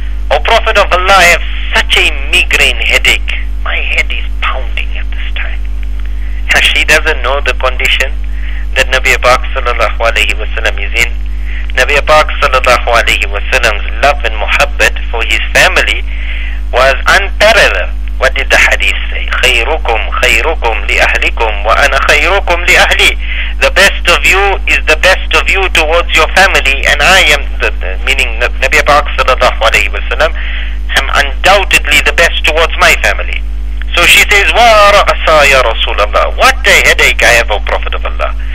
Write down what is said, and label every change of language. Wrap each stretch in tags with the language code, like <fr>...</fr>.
<en>O Prophet of Allah, I have such a migraine headache. My head is pounding at this time. Now she doesn't know the condition that Nabi Pak sallallahu alayhi wa sallam is in. Nabi Pak sallallahu alayhi wa sallam's love and muhabbat for his family was unparalleled. What did the hadith say?</en> <ar>خيركم خيركم لأهلكم وأنا خيركم لأهلي.</ar> <en>The best of you is the best of you towards your family, and I am meaning Nabi Barak sallallahu alayhi wa sallam, am undoubtedly the best towards my family. So she says,</en> <ar>wa ra'asa ya Rasulallah.</ar> <en>What a headache I have, O Prophet of Allah.</en>